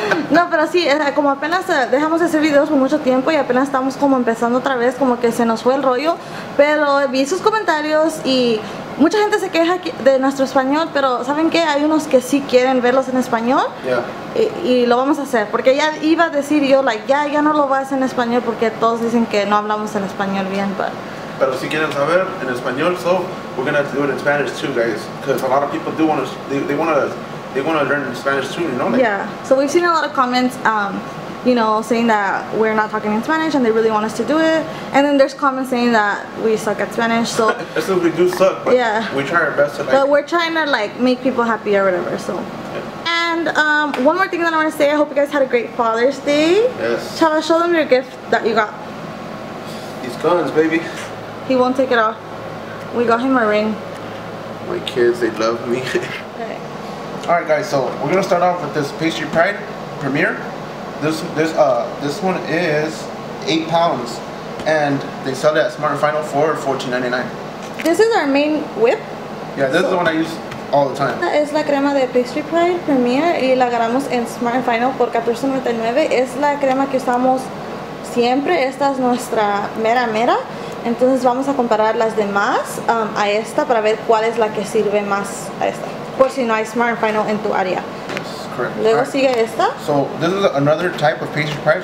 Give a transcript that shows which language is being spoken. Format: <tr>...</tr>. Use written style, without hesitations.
<es>No, pero sí, como apenas dejamos de hacer videos por mucho tiempo y apenas estamos como empezando otra vez, como que se nos fue el rollo. Pero vi sus comentarios y mucha gente se queja de nuestro español, pero ¿saben qué? Hay unos que sí quieren verlos en español.</es> <en>Yeah.</en> <es>Y lo vamos a hacer, porque ya iba a decir yo, like, ya no lo voy a hacer en español porque todos dicen que no hablamos en español bien, pero... Pero si quieren saber en español,</es> <en>so we're gonna have to do it in Spanish too, guys, because a lot of people do want to learn Spanish too, you know? Like, yeah, so we've seen a lot of comments, you know, saying that we're not talking in Spanish and they really want us to do it. And then there's comments saying that we suck at Spanish, so... It's like we do suck, but yeah. We try our best to, like... But we're trying to, like, make people happy or whatever, so... Yeah. And one more thing that I want to say, I hope you guys had a great Father's Day. Yes. Chava, show them your gift that you got. These guns, baby. He won't take it off. We got him a ring. My kids, they love me. Alright guys, so we're gonna start off with this Pastry Pride Premiere. This one is 8 pounds and they sell it at Smart Final for $14.99. This is our main whip. Yeah, this is the one I use all the time.</en> <es>Esta es la crema de Pastry Pride Premiere y la agarramos en Smart Final por $14.99. Es la crema que usamos siempre. Esta es nuestra mera mera. Entonces vamos a comparar las demás a esta para ver cuál es la que sirve más a esta. Por si no hay Smart and Final en tu área.</es> <en>Correct.</en> <es>Luego sigue esta.</es> <en>So this is another type of Pastry Pride.</en>